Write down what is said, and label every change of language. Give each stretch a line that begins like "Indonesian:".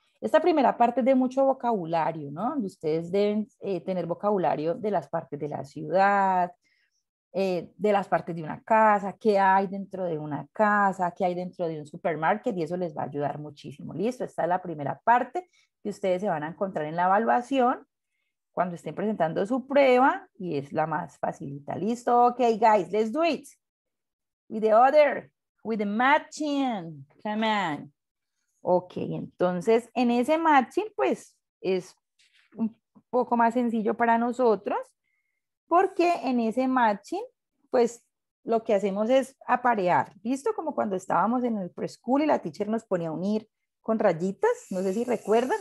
Spanish: Esta primera parte es de mucho vocabulario, ¿no? Ustedes deben tener vocabulario de las partes de la ciudad, de las partes de una casa, qué hay dentro de una casa, qué hay dentro de un supermercado, y eso les va a ayudar muchísimo. Listo, esta es la primera parte que ustedes se van a encontrar en la evaluación cuando estén presentando su prueba, y es la más facilita.
English: Listo, ok, guys, let's do it. With the other, with the matching, come on.
Spanish: Ok, entonces en ese matching, pues es un poco más sencillo para nosotros. Porque en ese matching, pues, lo que hacemos es aparear. ¿Visto? Como cuando estábamos en el preschool y la teacher nos ponía a unir con rayitas. No sé si recuerdan.